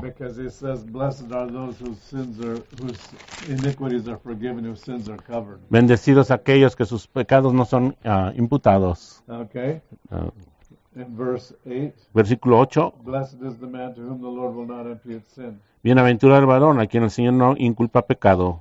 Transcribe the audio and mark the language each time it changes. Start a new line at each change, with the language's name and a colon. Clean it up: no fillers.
English: Because it says, blessed are those whose sins are, whose iniquities are forgiven, whose sins are covered.
Spanish: Bendecidos aquellos que sus pecados no son imputados.
English: Okay. In verse 8,
Spanish: versículo 8,
English: blessed is the man to whom the Lord will not impute sin.
Spanish: Bienaventurado el varón a quien el Señor no inculpa pecado.